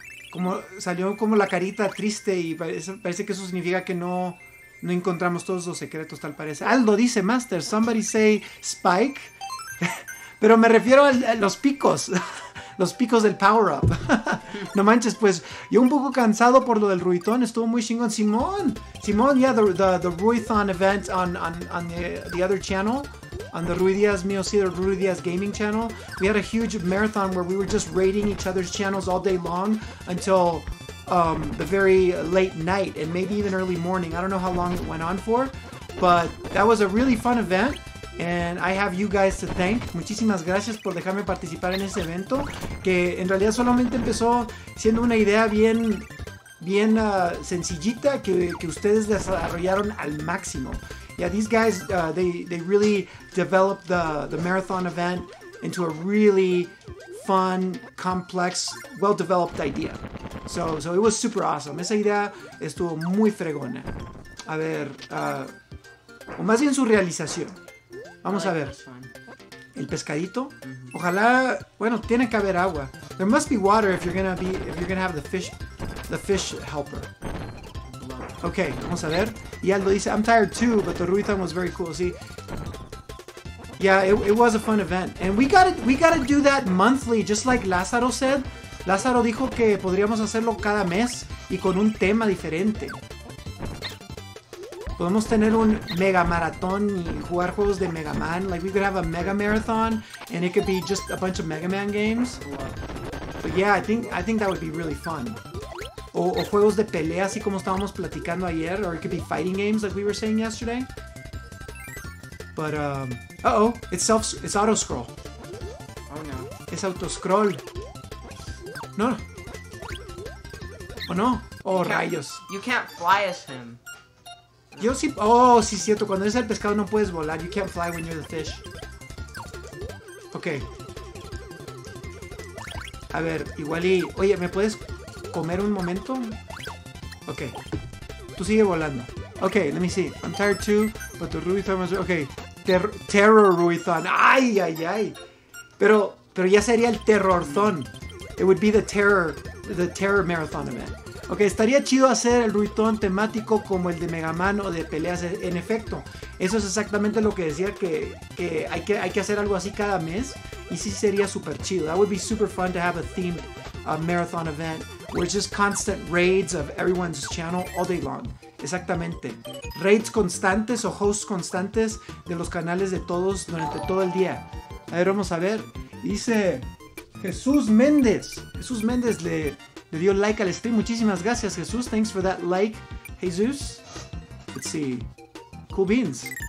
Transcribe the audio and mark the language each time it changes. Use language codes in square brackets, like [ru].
[es] Como salió como la carita triste y parece que eso significa que no encontramos todos los secretos, tal parece. Aldo dice, [en] Master, somebody say Spike. [es] Pero me refiero a los picos. Los picos del power-up. No manches, pues, yo un poco cansado por lo del Ruitón. Estuvo muy chingón. [en] Simón, yeah, the Ruithon event on the other channel. On the Rui Diaz Mio Cedar, Rui Diaz Gaming channel. We had a huge marathon where we were just raiding each other's channels all day long until the very late night and maybe even early morning. I don't know how long it went on for, but that was a really fun event. And I have you guys to thank. [es] Muchísimas gracias por dejarme participar en ese evento, que en realidad solamente empezó siendo una idea bien sencillita que ustedes desarrollaron al máximo. [en] Yeah, these guys they really developed the marathon event into a really fun, complex, well-developed idea. So it was super awesome. [es] Esa idea estuvo muy fregona. A ver, o más bien su realización. Vamos a ver. El pescadito. Mm-hmm. Ojalá. Bueno, tiene que haber agua. [en] There must be water if you're gonna have the fish helper. Okay, [es] vamos a ver. Y Aldo dice, [en] I'm tired too, but the Ruitan was very cool. See? Yeah, it was a fun event. And we gotta do that monthly, just like Lázaro said. [es] Lázaro dijo que podríamos hacerlo cada mes y con un tema diferente. Podemos tener un mega maratón y jugar juegos de Mega Man. [en] Like, we could have a mega marathon, and it could be just a bunch of Mega Man games. But yeah, I think that would be really fun. [es] O juegos de pelea, así como estábamos platicando ayer. [en] Or it could be fighting games, like we were saying yesterday. But, uh-oh, it's auto-scroll. Oh, no. [es] Es auto-scroll. No. [en] Oh, no. [es] Oh, rayos. [en] You can't fly as him. [es] Yo sí. Oh, sí, cierto. Cuando eres el pescado no puedes volar. [en] You can't fly when you're the fish. [es] Okay. A ver, igual y. Oye, ¿me puedes comer un momento? Okay. Tú sigue volando. Okay, [en] let me see. I'm tired too, but the Ruithon was. Okay. Terror Ruithon. [es] Ay, ay, ay. Pero ya sería el Terrorthon. [en] It would be the terror marathon event. [es] Ok, estaría chido hacer el Ruitón temático como el de Mega Man o de peleas, en efecto. Eso es exactamente lo que decía, que hay que hacer algo así cada mes. Y sí sería súper chido. [en] That would be super fun to have a themed marathon event where it's just constant raids of everyone's channel all day long. [es] Exactamente. Raids constantes o hosts constantes de los canales de todos durante todo el día. A ver, vamos a ver. Dice Jesús Méndez. Jesús Méndez le dio like al stream. Muchísimas gracias, Jesús. [en] Thanks for that like, Jesús. Let's see. Cool beans.